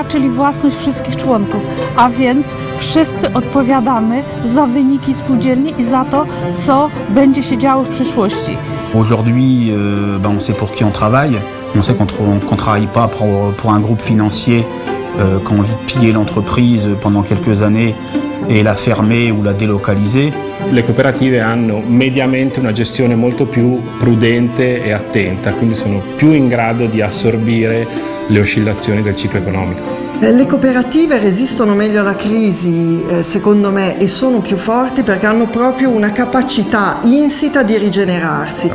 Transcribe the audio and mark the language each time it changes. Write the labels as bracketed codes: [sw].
[pl] Własność wszystkich członków, a więc wszyscy odpowiadamy za wyniki spółdzielni i za to, co będzie się działo w przyszłości. [fr] Aujourd'hui, on sait pour qui on travaille. On sait qu'on travaille pas pour un groupe financier qui a envie de piller l'entreprise pendant quelques années et la fermer ou la délocaliser. [it] Le cooperative hanno mediamente una gestione molto più prudente e attenta, quindi sono più in grado di assorbire le oscillazioni del ciclo economico. Le cooperative resistono meglio alla crisi, secondo me, e sono più forti perché hanno proprio una capacità insita di rigenerarsi.